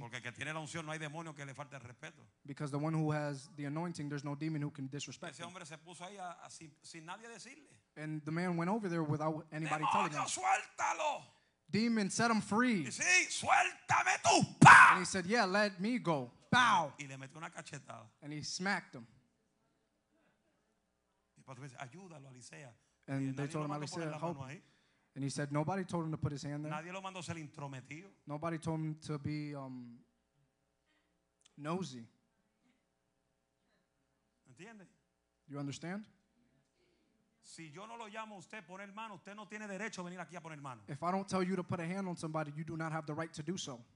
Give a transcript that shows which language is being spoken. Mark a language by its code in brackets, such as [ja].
[es] Porque que tiene la unción, no hay demonio que le falte respeto. [en] Because the one who has the anointing, there's no demon who can disrespect [es] ese hombre [en] him. [es] Se puso ahí sin nadie decirle. [en] And the man went over there without anybody [es] demonio, [en] telling him. [es] Suéltalo. [en] Demon, set him free. [es] Y sí, suéltame tú. [en] And he said, yeah, let me go. Bow. [es] Y le metió una cachetada. [en] And he smacked him. [es] Y después dice, ayúdalo, Alicia. [en] And they told him, Alicia, help. And he said, nobody told him to put his hand there. [es] Nadie lo mandó ser intrometido. [en] Nobody told him to be nosy. [es] ¿Entiende? [en] You understand? [es] Si yo no lo llamo a usted poner mano, usted no tiene derecho a venir aquí a poner mano. [en] If I don't tell you to put a hand on somebody, you do not have the right to do so.